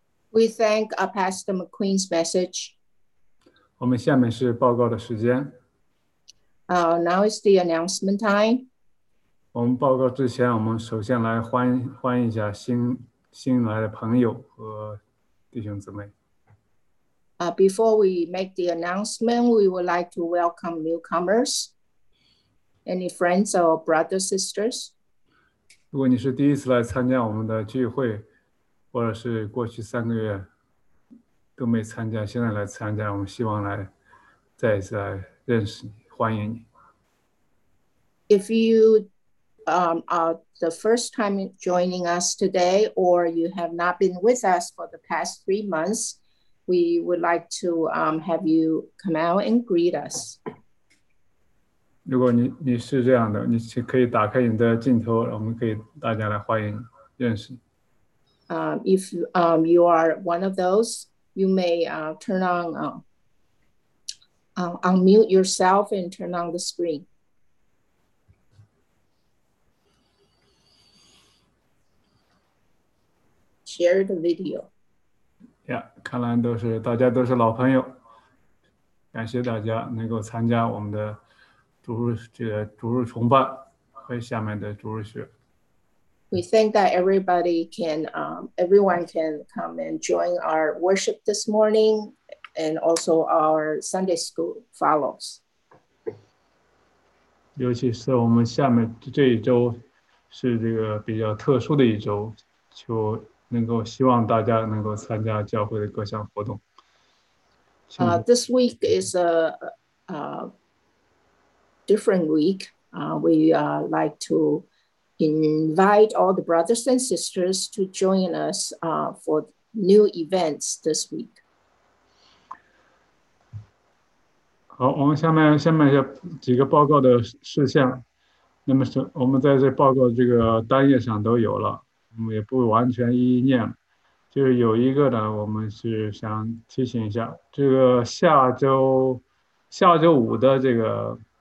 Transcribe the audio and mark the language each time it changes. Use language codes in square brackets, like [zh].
[en] We thank our Pastor McQueen's message. [zh] 我们下面是报告的时间。 [en] Now is the announcement time. [zh] 我们报告之前，我们首先来欢迎一下新来的朋友和弟兄姊妹。 [en] Before we make the announcement, we would like to welcome newcomers. Any friends or brothers, sisters? [zh] 如果你是第一次来参加我们的聚会，或者是过去三个月都没参加，现在来参加，我们希望来再一次来认识你，欢迎你。 [en] If you are the first time joining us today, or you have not been with us for the past 3 months, we would like to have you come out and greet us. [zh] 如果 你是这样的，你可以打开你的镜头，我们可以大家来欢迎认识。 [en] If you are one of those, you may turn on unmute yourself and turn on the screen. Share the video. [zh] Yeah, 看来都是大家都是老朋友，感谢大家能够参加我们的。 [en] We think that everybody can, everyone can come and join our worship this morning and also our Sunday school follows. [zh] 尤其是我们下面这一周是这个比较特殊的一周，就能够希望大家能够参加教会的各项活动。 [en] This week is a different week, we like to invite all the brothers and sisters to join us for new events this week. [zh] 好，我们下面有几个报告的事项。那么是我们在这报告这个单页上都有了，我们也不完全一一念。就是有一个呢，我们是想提醒一下，这个下周五的这个。